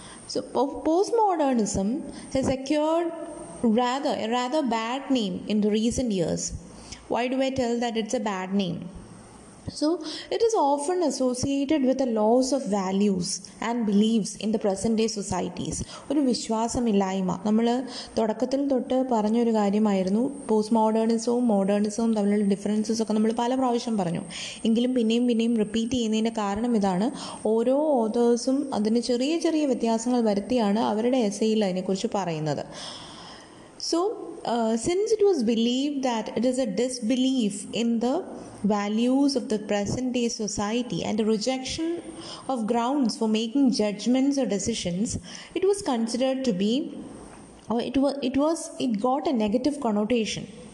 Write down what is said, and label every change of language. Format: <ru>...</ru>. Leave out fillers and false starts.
<en>So postmodernism has acquired a rather bad name in the recent years. Why do I tell that it's a bad name? So, it is often associated with a loss of values and beliefs in the present-day societies.</en> <ml>ഒരു വിശ്വാസമില്ലായ്മ. നമ്മൾ തുടക്കത്തിൽ തൊട്ട് പറഞ്ഞൊരു കാര്യമായിരുന്നു, post മോഡേണിസവും മോഡേണിസവും തമ്മിലുള്ള differences ഒക്കെ നമ്മൾ പല പ്രാവശ്യം പറഞ്ഞു. എങ്കിലും പിന്നെയും റിപ്പീറ്റ് ചെയ്യുന്നതിൻ്റെ കാരണം ഇതാണ്, ഓരോ ഓതേഴ്സും അതിന് ചെറിയ ചെറിയ വ്യത്യാസങ്ങൾ വരുത്തിയാണ് അവരുടെ എസ്സേയിൽ അതിനെക്കുറിച്ച് പറയുന്നത്.</ml> <en>So, since it was believed that it is a disbelief in the values of the present-day society and a rejection of grounds for making judgments or decisions, it was considered to be, or it got a negative connotation.</en>